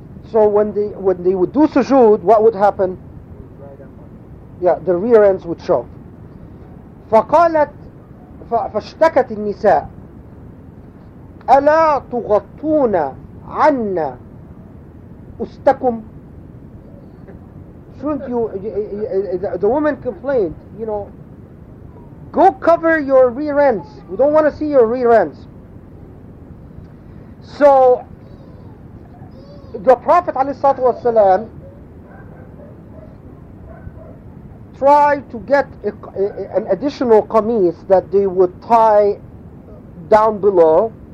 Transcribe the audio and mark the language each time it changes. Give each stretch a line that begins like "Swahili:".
English: So when they would do sujood, what would happen? Yeah, the rear ends would show.
Arabic: فقالت فاشتكت النساء ألا تغطون عنا أستكم.
English: Shouldn't the woman complained, you know, go cover your rear ends. We don't want to see your rear ends. So the Prophet ﷺ tried to get an additional qamis that they would tie down below.